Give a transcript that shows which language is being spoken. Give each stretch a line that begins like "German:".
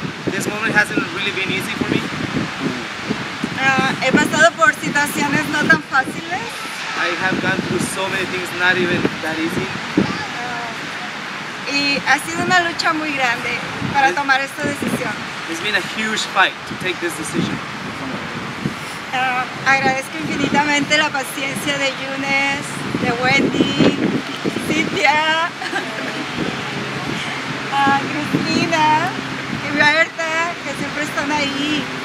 English: This moment hasn't really been easy for me.
Spanish: He pasado por situaciones no tan fáciles.
English: I have gone through so many things not even that easy.
Spanish: Y ha sido una lucha muy grande para tomar esta decisión.
English: It's been a huge fight to take this decision.
Spanish: Agradezco infinitamente la paciencia de Yunes, de Wendy, Cynthia. Cristina y Berta, que siempre están ahí.